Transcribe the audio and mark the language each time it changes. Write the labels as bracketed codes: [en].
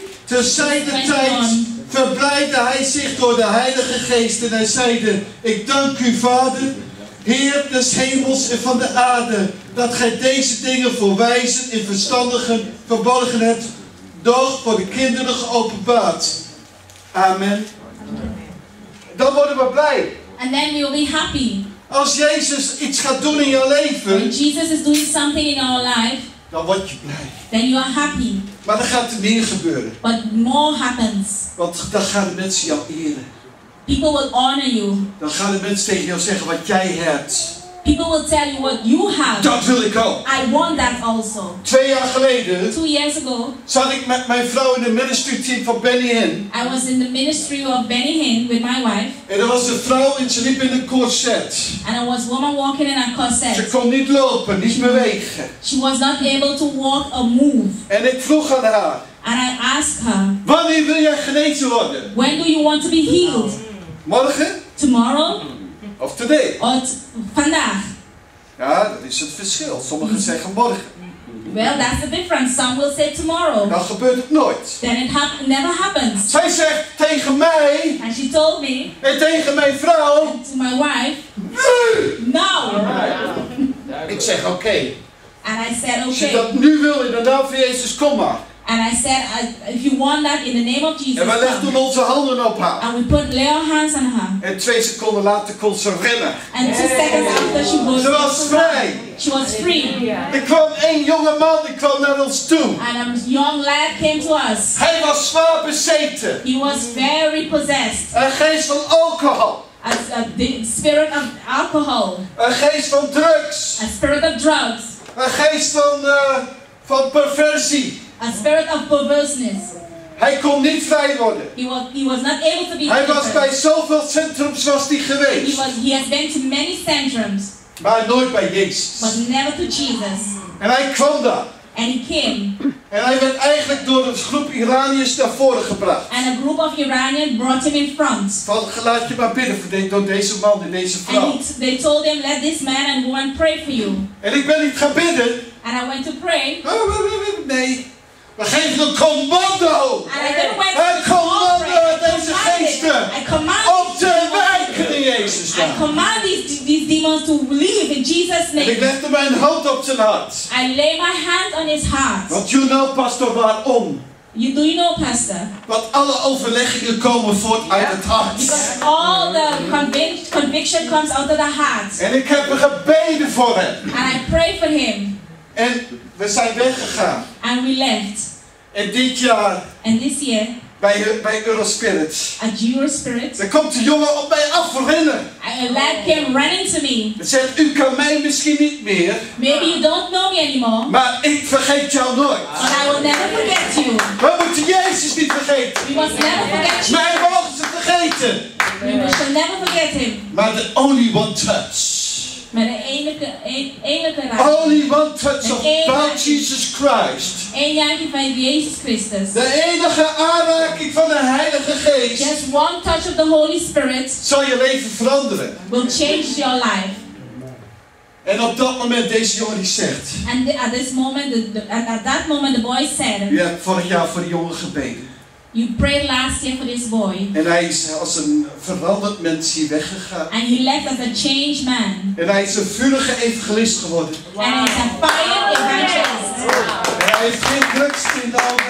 [nl] Terzijde tijd verblijdde hij zich door de Heilige Geest en hij zeide: ik dank u Vader, Heer des hemels en van de aarde, dat gij deze dingen voor wijzen en verstandigen verborgen hebt dood voor de kinderen geopenbaard. Amen. Dan worden we blij. [en] And then we will be happy. [nl] Als Jezus iets gaat doen in je leven. [en] When Jesus is doing something in our life. [nl] Dan word je blij. [en] Then you are happy. [nl] Maar dan gaat er meer gebeuren. [en] But more happens. [nl] Want dan gaan de mensen jou eren. [en] People will honor you. [nl] Dan gaan de mensen tegen jou zeggen wat jij hebt. [en] People will tell you what you have. [nl] Dat wil ik ook. [en] I want that also. [nl] 2 jaar geleden. [en] 2 years ago. [nl] Zat ik met mijn vrouw in de ministry team van Benny Hinn. [en] I was in the ministry of Benny Hinn with my wife. [nl] En er was een vrouw en ze liep in een corset. [en] And I was woman walking in a corset. [nl] Ze kon niet lopen, niet meer bewegen. [en] She was not able to walk or move. [nl] En ik vroeg aan haar. [en] And I asked her. [nl] Wanneer wil jij genezen worden? [en] When do you want to be healed? [nl] Morgen? [en] Tomorrow? [nl] Of [en] today? [nl] Of vandaag? Ja, dat is het verschil. Sommigen zeggen morgen. [en] Well, that's the difference. Some will say tomorrow. [nl] Dan gebeurt het nooit. [en] Then it never happens. [nl] Zij zegt tegen mij. [en] And she told me. [nl] En tegen mijn vrouw. [en] And to my wife. [nl] Nu! [en] Now! [nl] Ik zeg oké. [en] Okay. And I said okay. [nl] Als je dat nu wil in de naam van Jezus, kom maar. [en] And I said, if you want that in the name of Jesus. [nl] En we legden onze handen op haar. [en] And we put our hands on her. [nl] En 2 seconden later kon ze rennen. [en] And 2 seconds after she was free. [nl] Ze was vrij. [en] She was free. Yeah. [nl] Er kwam 1 jonge man die kwam naar ons toe. [en] And a young lad came to us. [nl] Hij was zwaar bezeten. [en] He was very possessed. [nl] Een geest van alcohol. [en] A spirit of alcohol. [nl] Een geest van drugs. [en] A spirit of drugs. [nl] Een geest van perversie. [en] A spirit of perverseness. [nl] Hij kon niet vrij worden. [en] He was not able to be. [nl] Hij was bij zoveel centrums was hij geweest. [en] He had been to many centrums. [nl] Maar nooit bij Jezus. [en] But never to Jesus. [nl] En hij kwam daar. [en] And he came. [nl] En hij werd eigenlijk door een groep Iraniërs naar voren gebracht. [en] And a group of Iranians brought him in front. [nl] Van laat je maar bidden voor door deze man en deze vrouw. [en] And they told him, let this man and woman pray for you. [nl] En ik ben niet gaan bidden. [en] And I went to pray. [nl] Nee. We geven een commando. Een commando aan deze geesten. Om te wijken in Jezus' naam. [en] I command these demons to leave in Jesus' name. [nl] En ik legde mijn hand op zijn hart. [en] I lay my hand on his heart. [nl] Want [en] you know, [nl] Pastor, waarom? [en] Do you know, Pastor? [nl] Want alle overleggingen komen voort uit het hart. [en] Because all the conviction comes out of the heart. [nl] En ik heb gebeden voor hem. [en] And I pray for him. [nl] En we zijn weggegaan. [en] And we left. [nl] En dit jaar. [en] And this year. [nl] Bij Eurospirit. [en] At Eurospirit. [nl] Er komt een jongen op mij af rennen. [en] A lad came running to me. [nl] Hij zegt, u kan mij misschien niet meer. [en] Maybe you don't know me anymore. [nl] Maar ik vergeet jou nooit. [en] But I will never forget you. [nl] We moeten Jezus niet vergeten. [en] We must never forget you. [nl] Mij mogen ze vergeten. [en] We shall never forget him. [nl] Maar [en] the only one touch. [nl] Met een enige raad. [en] Only one touch of about Jesus Christ. [nl] Een jankie van Jezus Christus. De enige aanraking van de Heilige Geest. [en] Just one touch of the Holy Spirit. [nl] Zal je leven veranderen. [en] Will change your life. [nl] En op dat moment deze jongen zegt. [en] And at this moment, at that moment the boy said. [nl] Je hebt vorig jaar voor de jongen gebeden. [en] You prayed last year for this boy. [nl] En hij is als een veranderd mens hier weggegaan. [en] And he left as a changed man. [nl] En hij is een vurige evangelist geworden. [en] Wow. And he's a fire evangelist. Wow. [nl] En hij heeft geen drugs meer nodig.